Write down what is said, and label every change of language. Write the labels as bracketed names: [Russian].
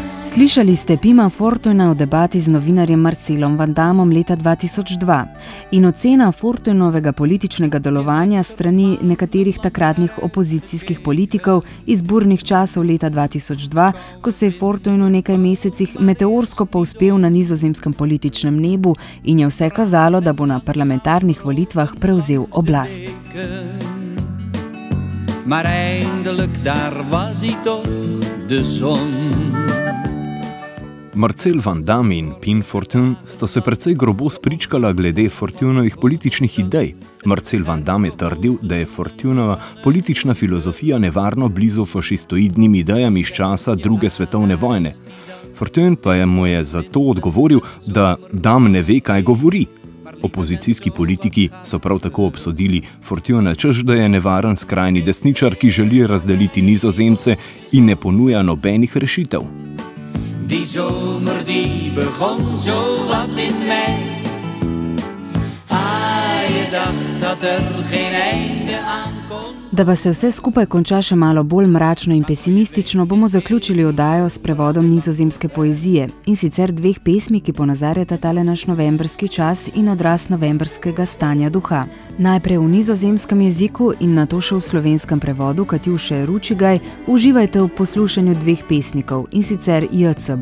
[Slovenian] Slišali ste Pima Fortuyna v debati z novinarjem Marcelom Van Damom leta 2002 in ocena Fortuynovega političnega delovanja strani nekaterih takratnih opozicijskih politikov iz burnih časov leta 2002, ko se je Fortuyn v nekaj mesecih meteorsko povzpel na nizozemskem političnem nebu in je vse kazalo, da bo na parlamentarnih volitvah prevzel oblast. [Dutch] Maar eindelijk daar was hij toch de zon. [Slovenian] Marcel Van Dam in Pim Fortuyn sta se precej grobo spričkala glede Fortuynovih političnih idej. Marcel Van Dam je trdil, da je Fortuynova politična filozofija nevarno blizu fašistoidnim idejam iz časa druge svetovne vojne. Fortuyn pa mu je zato odgovoril, da Dam ne ve, kaj govori. Opozicijski politiki so prav tako obsodili Fortuyna, češ da je nevaren skrajni desničar, ki želi razdeliti Nizozemce in ne ponuja nobenih rešitev. [Dutch] Die zomer die begon zo wat in mei. Ah, je dacht dat er geen einde aan kon. [Slovenian] Da pa se vse skupaj konča še malo bolj mračno in pesimistično, bomo zaključili oddajo s prevodom nizozemske poezije in sicer dveh pesmi, ki ponazarjata tale naš novembrski čas in odraz novembrskega stanja duha. Najprej v nizozemskem jeziku in nato še v slovenskem prevodu Katjuše Ručigaj uživajte v poslušanju dveh pesnikov in sicer J.C.